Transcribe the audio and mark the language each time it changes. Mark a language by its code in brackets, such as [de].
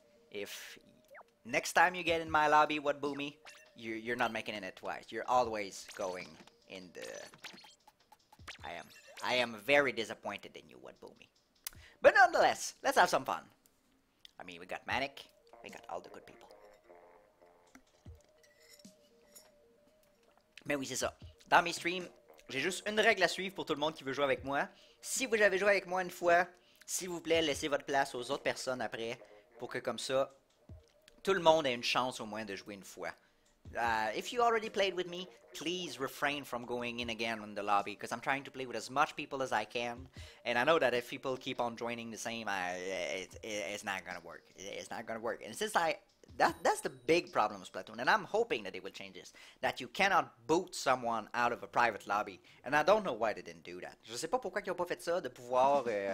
[en] If next time you get in my lobby, what Boomy, you're not making it twice. You're always going in the. I am very disappointed in you, what Boomy. But nonetheless, let's have some fun. I mean, we got Manic, we got all the good people. [fr] Mais oui, c'est ça. Dans mes streams, j'ai juste une règle à suivre pour tout le monde qui veut jouer avec moi. Si vous avez joué avec moi une fois, s'il vous plaît, laissez votre place aux autres personnes après pour que comme ça, tout le monde ait une chance au moins de jouer une fois. [en] If you already played with me, please refrain from going in again in the lobby because I'm trying to play with as much people as I can. And I know that if people keep on joining the same, it's not gonna work. It's not gonna work. And since That's the big problem with Splatoon, and I'm hoping that they will change this. That you cannot boot someone out of a private lobby. And I don't know why they didn't do that. [fr] Je sais pas pourquoi ils ont pas fait ça, de pouvoir...